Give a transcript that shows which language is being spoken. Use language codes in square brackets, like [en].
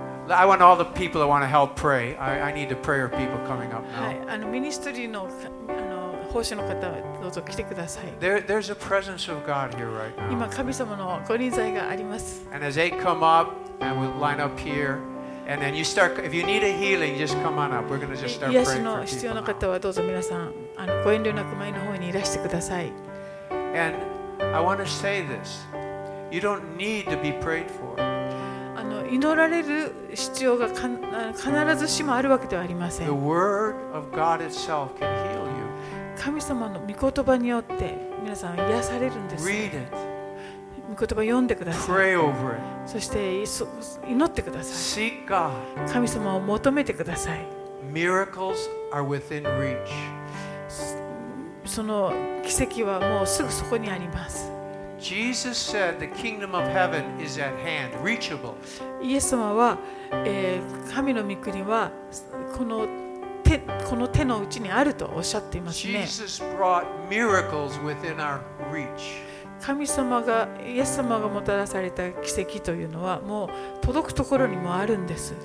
[en] I want all the people that want to help pray. I need the prayer people coming up now. [ja] はい、ミニストリーの奉仕の方はどうぞ来てください。 [en] There's a presence of God here right now. [ja] 今神様の御臨在があります。 [en] And as they come up and we line up here, and then you start. If you need a healing, just come on up. We're going to just start praying for people. [ja] 癒しの必要な方はどうぞ皆さんご遠慮なく前の方にいらしてください。 [en] And I want to say this. You don't need to be prayed for. [ja] 祈られる必要が必ずしもあるわけではありません。 [en] The word of God itself can heal you. [ja] 神様の御言葉によって皆さん癒されるんです。 [en] Read it. [ja] 御言葉読んでください。 [en] Pray over it. [ja] そして祈ってください。 [en] Seek God. [ja] 神様を求めてください。 [en] Miracles are within reach. [ja] その奇跡はもうすぐそこにあります。 [en] Jesus said the kingdom of heaven is at hand, reachable. [ja] イエス様は、神の御国はこの手のうちにあるとおっしゃっていますね。 [en] Jesus brought miracles within our reach. [ja] 神様がイエス様がもたらされた奇跡というのはもう届くところにもあるんです。